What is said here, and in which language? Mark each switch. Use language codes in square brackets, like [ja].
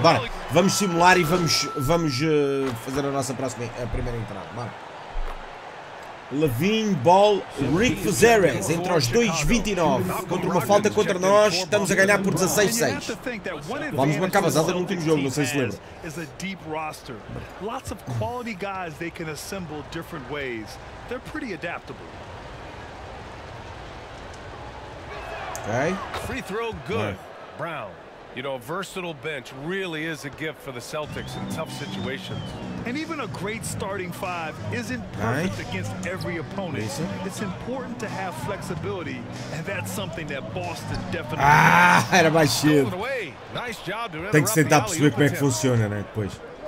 [pt] Bora, vamos simular e vamos fazer a nossa primeira entrada. Bora. Lavin, Ball, Rick Fazeres, entre os 2-29. Contra uma falta contra nós, estamos a ganhar por 16-6. Vamos marcar basada no último jogo, não sei se lembra. [en] Is a deep roster. Lots of quality guys they can assemble different ways. They're pretty adaptable. Okay. Free throw good. Brown. You know, a versatile bench really is a gift for the Celtics in tough situations. And even a great starting five isn't perfect against every opponent. It's important to have flexibility, and that's something that Boston definitely has. [pt] Era mais cedo. [en] Nice job. [pt] Tem que tentar perceber como é que funciona, né, depois.